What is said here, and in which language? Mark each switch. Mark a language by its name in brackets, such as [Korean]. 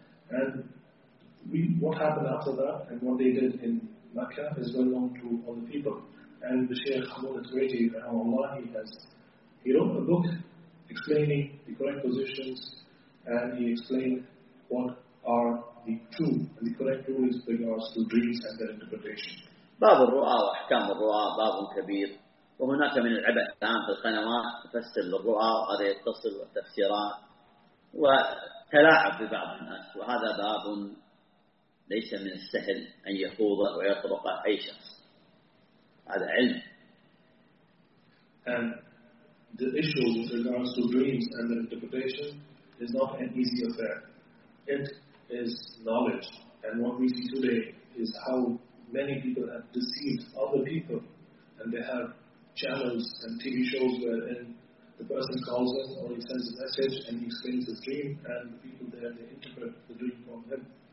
[English] And what happened after that and what they did in Mecca is well known to all the people. And the Shaykh Hamoud al-Tawaiti, rahimahullah, he wrote a book explaining the correct positions. And he explained what are the true and the correct rule is regards to dreams and their interpretation. [Arabic] باب الرؤى وأحكام الرؤى باب كبير. وهناك من العبادات في القنوات تفسر الرؤى وهذا يتصل بالتفسيرات وتلاعب ببعض الناس، وهذا باب ليس من السهل أن يخوض ويطرق أي شخص، هذا علم. [English] And the issue with regards to dreams and their interpretation is not an easy affair. It is knowledge. And what we see today is how many people have deceived other people, and they have channels and TV shows wherein the person calls in or he sends a message and he explains his dream, and the people there, they interpret the dream from him.